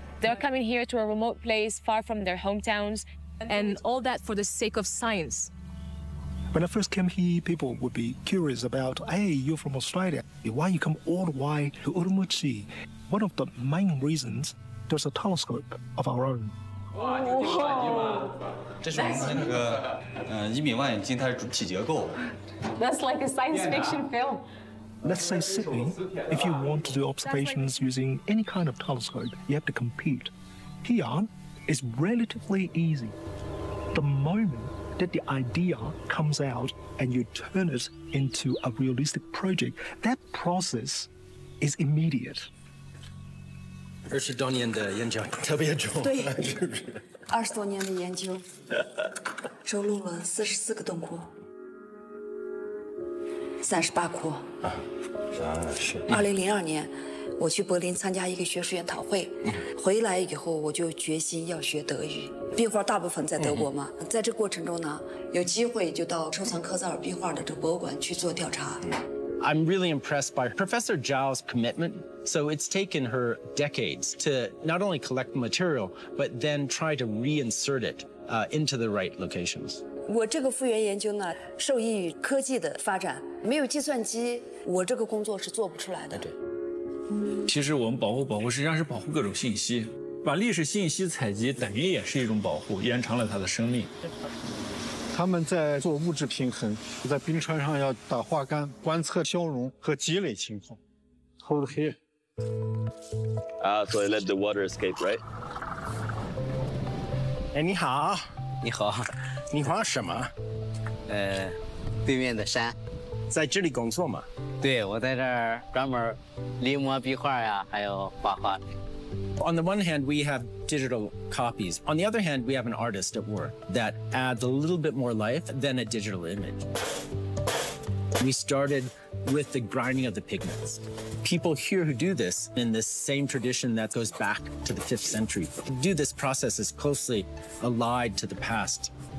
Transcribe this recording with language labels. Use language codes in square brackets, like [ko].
[en] They're coming here to a remote place far from their hometowns, and all that for the sake of science. When I first came here, people would be curious about, hey, you're from Australia. Why you come all the way to Urumqi? One of the main reasons, there's a telescope of our own. [zh] 哇，这是我们那个，1米望远镜，它是主体结构。 [en] That's like a science fiction film. Let's say Sydney, if you want to do observations using any kind of telescope, you have to compete. Here is relatively easy. The moment that the idea comes out and you turn it into a realistic project, that process is immediate. [zh] 而且当年的研究特别重，对，20多年的研究，收录了44个洞窟。 38窟，是。 2002年，我去柏林参加一个学术研讨会，回来以后我就决心要学德语。壁画大部分在德国嘛，在这过程中呢，有机会就到收藏科赫尔壁画的这博物馆去做调查。 [en] I'm really impressed by Professor Zhao's commitment. So it's taken her decades to not only collect material, but then try to reinsert it into the right locations. [zh] 我这个复原研究呢，受益于科技的发展，没有计算机，我这个工作是做不出来的。对，其实我们保护实际上是保护各种信息，把历史信息采集等于也是一种保护，延长了它的生命。他们在做物质平衡，在冰川上要打化干，观测消融和积累情况。 [en] Hold here. Ah, so I let the water escape, right? Hey, [zh] 你好. 你好. 你好什么? 对面的山. 在这里工作吗? 对，我在这儿专门临摹壁画呀，还有画画。 [en] On the one hand, we have digital copies. On the other hand, we have an artist at work that adds a little bit more life than a digital image. We started with the grinding of the pigments. People here who do this in this same tradition that goes back to the 5th century do this process as closely allied to the past.